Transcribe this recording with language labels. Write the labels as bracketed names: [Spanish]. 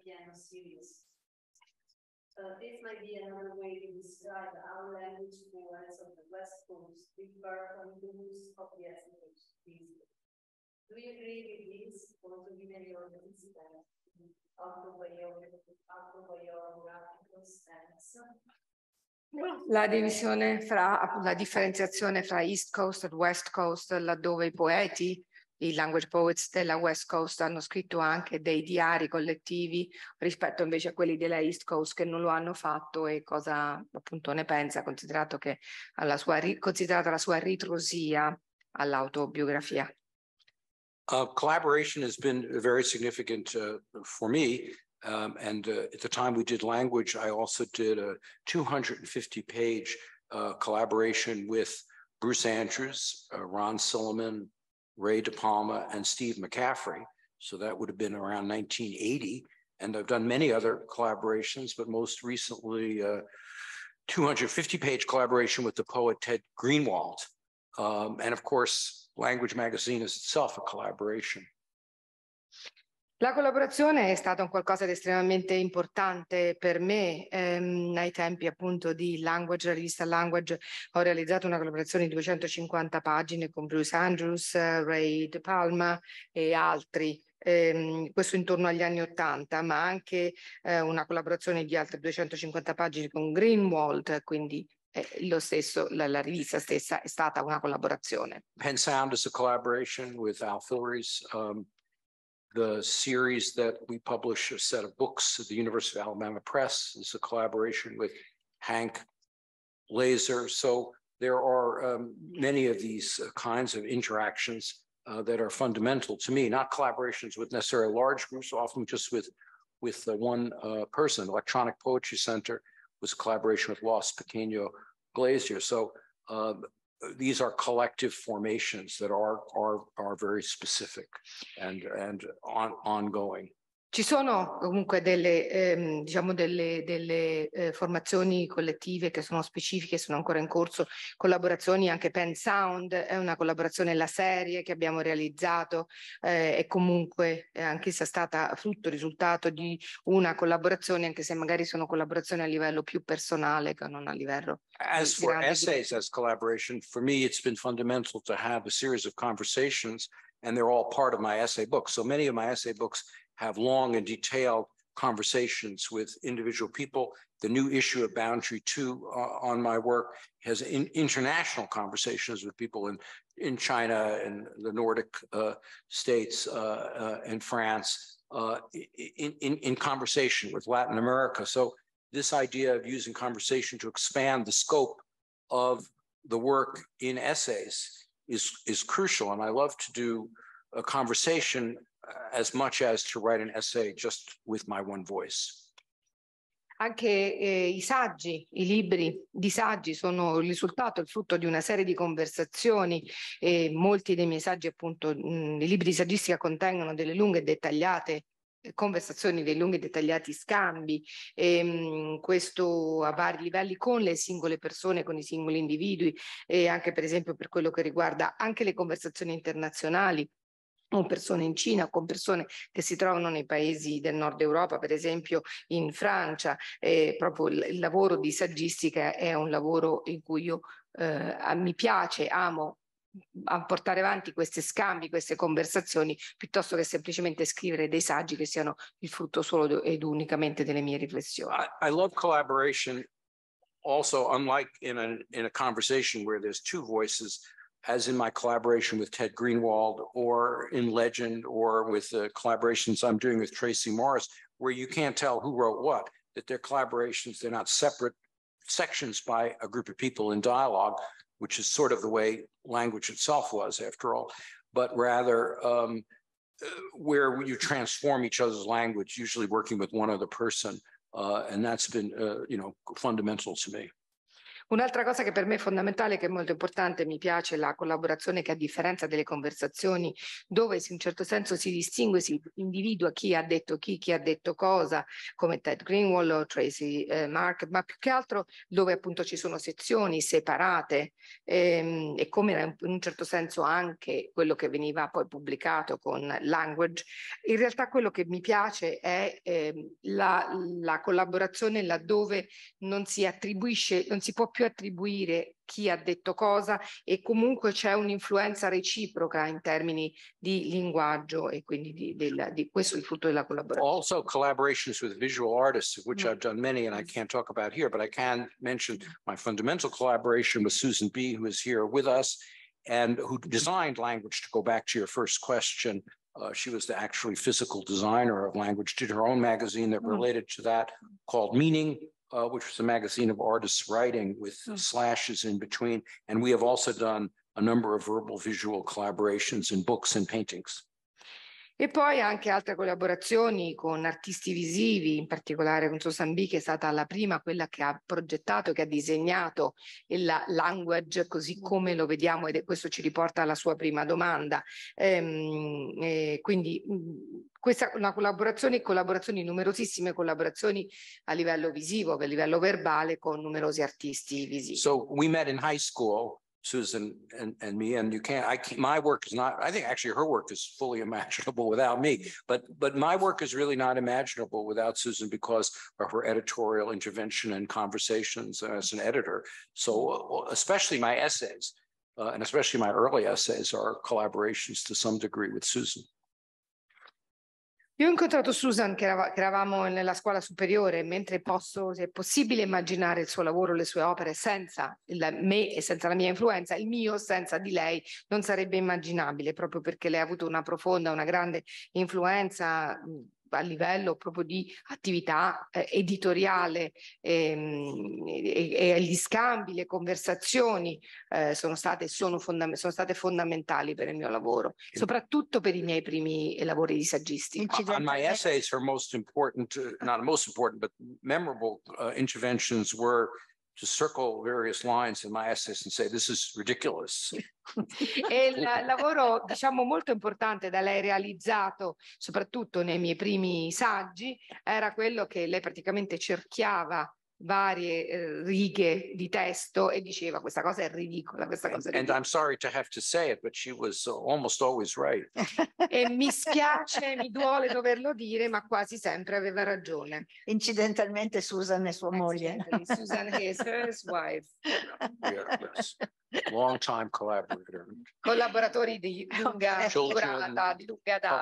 [English] This might be another way to describe our language poets of the West Coast, differ from those of the Aztecs. Do you agree with this, or to give any other instance of the way autobiographical sense? [Italian] La divisione fra la differenziazione fra East Coast e West Coast, laddove i poeti, i language poets della West Coast, hanno scritto anche dei diari collettivi rispetto invece a quelli della East Coast che non lo hanno fatto, e cosa appunto ne pensa, considerato che alla sua considerata la sua ritrosia all'autobiografia. [English] Collaboration has been very significant for me. At the time we did language, I also did a 250-page collaboration with Bruce Andrews, Ron Silliman, Ray De Palma, and Steve McCaffrey. So that would have been around 1980. And I've done many other collaborations, but most recently a 250-page collaboration with the poet Ted Greenwald. And of course, Language Magazine is itself a collaboration. [Italian] La collaborazione è stata un qualcosa di estremamente importante per me. Ai tempi appunto di Language, la rivista Language, ho realizzato una collaborazione di 250 pagine con Bruce Andrews, Ray De Palma e altri, questo intorno agli anni 80, ma anche una collaborazione di altre 250 pagine con Greenwald, quindi lo stesso, la rivista stessa è stata una collaborazione. [English] Penn Sound is a collaboration with Al Fillory's the series that we publish, a set of books at the University of Alabama Press, is a collaboration with Hank Laser. So there are many of these kinds of interactions that are fundamental to me, not collaborations with necessarily large groups, often just with the one person. Electronic Poetry Center was a collaboration with Los Pequeño Glazier. So these are collective formations that are very specific and ongoing. [Italian] Ci sono comunque delle diciamo delle formazioni collettive che sono specifiche, sono ancora in corso, collaborazioni anche Penn Sound è una collaborazione, la serie che abbiamo realizzato è comunque anch'essa stata frutto, risultato di una collaborazione, anche se magari sono collaborazioni a livello più personale che non a livello. [English] As for essays as collaboration, for me it's been fundamental to have a series of conversations and they're all part of my essay book. So many of my essay books have long and detailed conversations with individual people. The new issue of Boundary 2 on my work has international conversations with people in China and the Nordic states and France, in conversation with Latin America. So this idea of using conversation to expand the scope of the work in essays is crucial. And I love to do a conversation as much as to write an essay just with my one voice. [Italian] Anche i saggi, i libri di saggi sono il risultato, il frutto di una serie di conversazioni, e molti dei miei saggi, appunto, i libri di saggistica contengono delle lunghe e dettagliate conversazioni, dei lunghi e dettagliati scambi, e questo a vari livelli con le singole persone, con i singoli individui, e anche per esempio per quello che riguarda anche le conversazioni internazionali con persone in Cina, con persone che si trovano nei paesi del nord Europa, per esempio in Francia, e proprio il lavoro di saggistica è un lavoro in cui io mi piace, amo a portare avanti questi scambi, queste conversazioni, piuttosto che semplicemente scrivere dei saggi che siano il frutto solo ed unicamente delle mie riflessioni. [English] I love collaboration also, unlike in a conversation where there's two voices, as in my collaboration with Ted Greenwald or in Legend or with the collaborations I'm doing with Tracy Morris, where you can't tell who wrote what, that they're collaborations, they're not separate sections by a group of people in dialogue, which is sort of the way language itself was after all, but rather where you transform each other's language, usually working with one other person. And that's been, you know, fundamental to me. [Italian] Un'altra cosa che per me è fondamentale, che è molto importante, mi piace la collaborazione che, a differenza delle conversazioni, dove in un certo senso si distingue, si individua chi ha detto cosa, come Ted Greenwald o Tracy Mark, ma più che altro dove appunto ci sono sezioni separate e come in un certo senso anche quello che veniva poi pubblicato con Language. In realtà quello che mi piace è la collaborazione laddove non si attribuisce, non si può più attribuire chi ha detto cosa, e comunque c'è un'influenza reciproca in termini di linguaggio, e quindi di questo è il frutto della collaborazione. [English] Also collaborations with visual artists, which I've done many and I can't talk about here, but I can mention my fundamental collaboration with Susan B, who is here with us and who designed Language, to go back to your first question. She was the actually physical designer of Language, did her own magazine that related to that called Meaning, which was a magazine of artists writing with slashes in between. And we have also done a number of verbal visual collaborations in books and paintings. [Italian] E poi anche altre collaborazioni con artisti visivi, in particolare con Susan B, che è stata la prima, quella che ha progettato, che ha disegnato il Language così come lo vediamo, ed è, questo ci riporta alla sua prima domanda. Quindi questa è una collaborazione, collaborazioni, numerosissime collaborazioni a livello visivo, a livello verbale, con numerosi artisti visivi. [English] So we met in high school, Susan and me, and my work is not, I think actually her work is fully imaginable without me, but my work is really not imaginable without Susan because of her editorial intervention and conversations as an editor. So especially my essays, and especially my early essays, are collaborations to some degree with Susan. [Italian] Io ho incontrato Susan, che eravamo nella scuola superiore, mentre posso, se è possibile, immaginare il suo lavoro, le sue opere senza me e senza la mia influenza, il mio senza di lei non sarebbe immaginabile, proprio perché lei ha avuto una profonda, una grande influenza a livello proprio di attività editoriale, e gli scambi, le conversazioni sono state fondamentali per il mio lavoro, soprattutto per i miei primi lavori di saggistico. [English] On my essays, her most important, not most important, but memorable interventions were to circle various lines in my essays and say, this is ridiculous. [Italian] E il lavoro, diciamo, molto importante da lei realizzato, soprattutto nei miei primi saggi, era quello che lei praticamente cerchiava varie righe di testo e diceva, questa cosa è ridicola, questa cosa è ridicola. [English] And I'm sorry to have to say it, but she was almost always right. [Italian] E mi spiace, mi duole doverlo dire, ma quasi sempre aveva ragione. Incidentalmente Susan e sua moglie. [English] Susan is her wife. Yes. Long time collaborator. [Italian] Collaboratori di lunga durata, di lunga data.